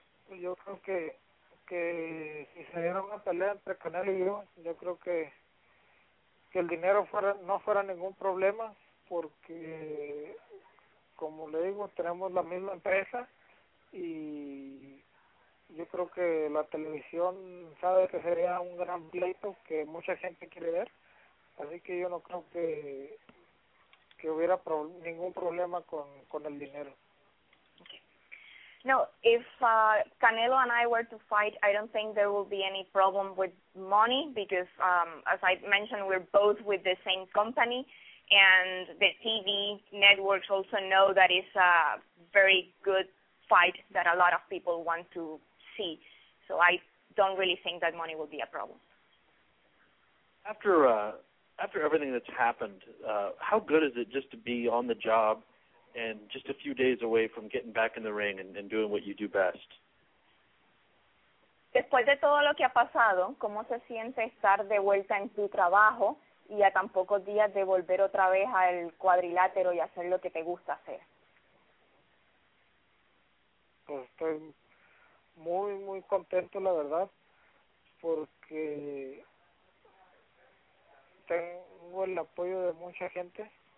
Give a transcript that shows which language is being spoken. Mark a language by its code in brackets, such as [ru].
[es] Yo creo que si se diera una pelea entre Canelo y yo creo que el dinero no fuera ningún problema, porque, como le digo, tenemos la misma empresa y yo creo que la televisión sabe que sería un gran pleito que mucha gente quiere ver, así que yo no creo que hubiera ningún problema con el dinero. [en] No, if Canelo and I were to fight, I don't think there will be any problem with money because, as I mentioned, we're both with the same company, and the TV networks also know that it's a very good fight that a lot of people want to see. So I don't really think that money will be a problem. After everything that's happened, how good is it just to be on the job and just a few days away from getting back in the ring and doing what you do best? [es] Después de todo lo que ha pasado, ¿cómo se siente estar de vuelta en tu trabajo y a tan pocos días de volver otra vez al cuadrilátero y hacer lo que te gusta hacer? Pues estoy muy, muy contento, la verdad, porque tengo el apoyo de mucha gente.